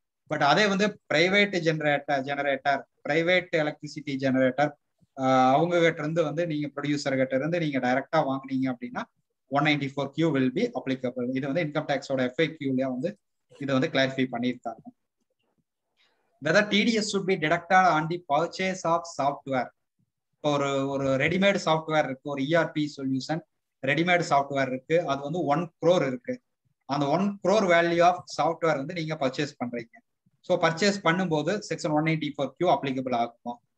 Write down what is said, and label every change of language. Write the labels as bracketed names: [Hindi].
[Tamil] But அதே வந்து private generator private electricity generator அவங்க கிட்ட இருந்து வந்து நீங்க ப்ரொடியூசர் கிட்ட இருந்து நீங்க டைரக்டா வாங்குனீங்க அப்படின்னா 194Q [English] will be applicable. [Tamil] இது வந்து இன்கம் டேக்ஸோட FAQ-லயே வந்து இதை வந்து கிளாரிஃபை பண்ணியிருக்காங்க. [English] Whether TDS should be deducted on the purchase of software. [Tamil] ஒரு ஒரு ரெடிமேடு சாஃப்ட்வேர் இருக்கு, ஒரு ERP சொல்யூஷன் ரெடிமேடு சாஃப்ட்வேர் இருக்கு, அது வந்து 1 crore இருக்கு, அந்த 1 crore வேல்யூ ஆஃப் சாஃப்ட்வேர் வந்து நீங்க பர்ச்சேஸ் பண்றீங்க. ஸோ பர்ச்சேஸ் பண்ணும்போது செக்ஷன் 184Q அப்ளிகபிள் ஆகுமா?